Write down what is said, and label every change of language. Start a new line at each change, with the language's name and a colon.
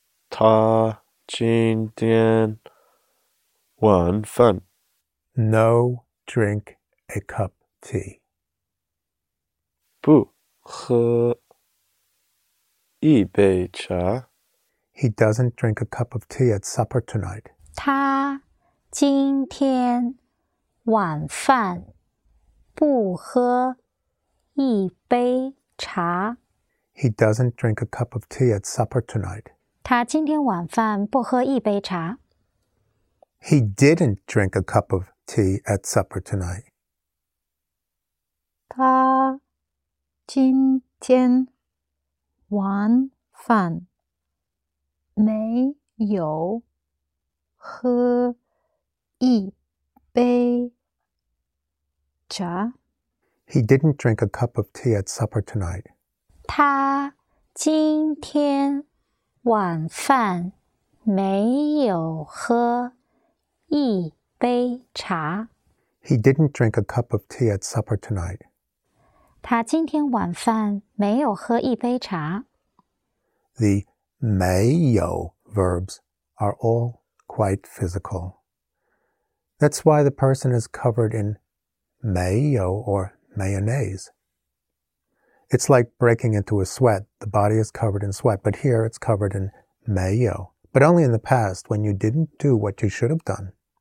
Chinese: 他今天晚饭.
English: No drink a cup tea.
Chinese: 不喝一杯茶.
English: He doesn't drink a cup of tea at supper tonight.
Chinese: 他今天晚饭不喝一杯茶。
English: He doesn't drink a cup of tea at supper tonight.
Chinese: 他今天晚饭不喝一杯茶。
English: He didn't drink a cup of tea at supper tonight.
Chinese: 他今天晚饭没有喝一杯茶。
English: He didn't drink a cup of tea at supper tonight.
Chinese: 他今天晚饭没有喝一杯茶。
English: He didn't drink a cup of tea at supper tonight.
Chinese: 他今天晚饭没有喝一杯茶。
English: The 没有 verbs are all quite physical. That's why the person is covered in 没有 or mayonnaise. It's like breaking into a sweat. The body is covered in sweat, but here it's covered in 没有, but only in the past when you didn't do what you should have done.